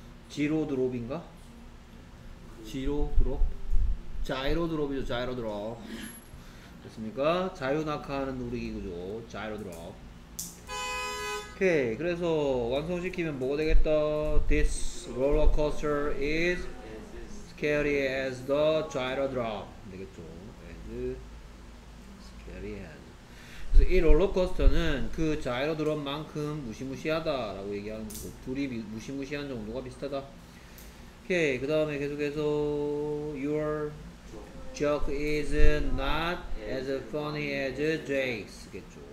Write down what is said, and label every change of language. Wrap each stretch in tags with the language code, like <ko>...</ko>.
<ko>지로 드롭인가? 지로 드롭? 자이로 드롭이죠. 자이로 드롭. 됐습니까? 자유낙하하는 놀이기구죠. 자이로 드롭. 오케이. 그래서 완성시키면 뭐가 되겠다?</ko> <en>This roller coaster is scary as the 자이로 드롭.</en> <ko>되겠죠.</ko> <en>And scary as.</en> <ko>그래서 이 롤러코스터는 그 자이로 드롭만큼 무시무시하다라고 얘기하는 거고, 둘이 무시무시한 정도가 비슷하다. 오케이. 그 다음에 계속해서</ko> <en>your joke is not as funny as Jake's 겠죠.</en>